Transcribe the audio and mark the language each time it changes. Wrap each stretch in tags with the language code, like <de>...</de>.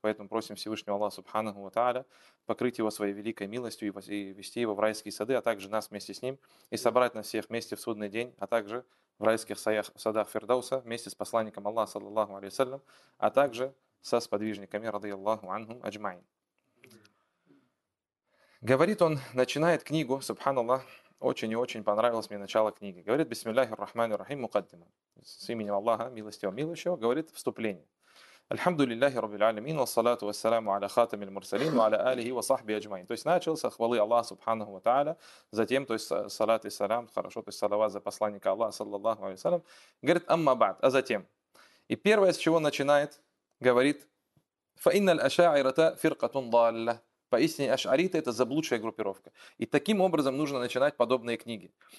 <ru>Поэтому просим Всевышнего Аллаха субханаху ва тааля покрыть его своей великой милостью и вести его в райские сады, а также нас вместе с ним, и собрать нас всех вместе в судный день, а также в райских садах Фирдауса вместе с посланником Аллаха, саллаллаху алейхи ва саллям, а также со сподвижниками, радиаллаху анхум аджмаин. Говорит он, начинает книгу, субханаллах, очень и очень понравилось мне начало книги. Говорит, бисмиллахи ррахмани ррахим мукаддима, с именем Аллаха, милостивого, милующего, говорит вступление.</ru> <ar>الحمد لله رب العالمين والصلاة والسلام على خاتم المرسلين وعلى آله وصحبه أجمعين.</ar> <ru>То есть начался хвалы Аллаха Субханаху ва Тааля, затем то есть салат и салам, хорошо, то есть салават за посланника Аллаха саллаллаху алейхи ва саллям. Говорит амма бад, а затем. И первое, с чего начинает, говорит:</ru> <ar>فإِنَّ الْأَشَاعِرَةَ فِرْقَةٌ ضَالَّةٌ.</ar> <ru>Поистине ашариты — это заблудшая группировка. И таким образом нужно начинать подобные книги.</ru>